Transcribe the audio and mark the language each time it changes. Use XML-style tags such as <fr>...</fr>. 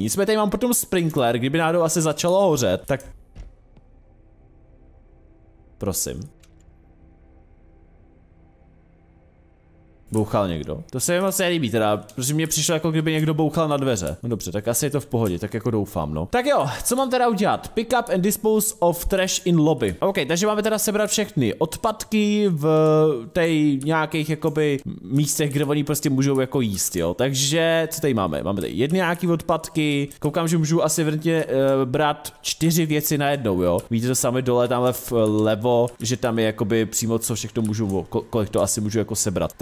<cs>Nicméně tady mám potom sprinkler, kdyby náhodou asi začalo hořet, tak... Prosím. Bouchal někdo. To se mi moc nelíbí teda, protože mě přišlo jako kdyby někdo bouchal na dveře. No dobře, tak asi je to v pohodě, tak jako doufám, no. Tak jo, co mám teda udělat?</cs> <en>Pick up and dispose of trash in lobby.</en> <cs>OK, takže máme teda sebrat všechny odpadky v tej nějakých jakoby místech, kde oni prostě můžou jako jíst, jo. Takže co tady máme? Máme tady jedny nějaký odpadky. Koukám, že můžu asi vrtně brát 4 věci najednou, jo. Vidíte to sami dole tamhle vlevo, že tam je jakoby přímo co všechno můžu, kolik to asi můžu jako sebrat.</cs>